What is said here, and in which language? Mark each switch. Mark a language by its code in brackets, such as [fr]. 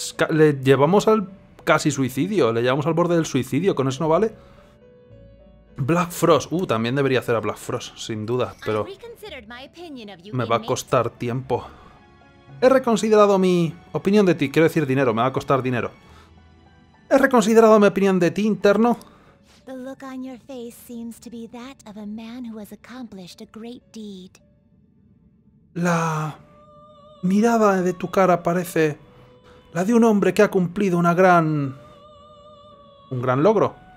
[es] Le llevamos al casi suicidio, le llevamos al borde del suicidio, con eso no vale. Black Frost, también debería hacer a Black Frost, sin duda, pero me va a costar tiempo. He reconsiderado mi opinión de ti, quiero decir dinero, me va a costar dinero. He reconsiderado mi opinión de ti, interno. [en] The look on your face seems to be that of a man who has accomplished a great deed. [es] La mirada de tu cara parece la de un hombre que ha cumplido una gran... un gran logro.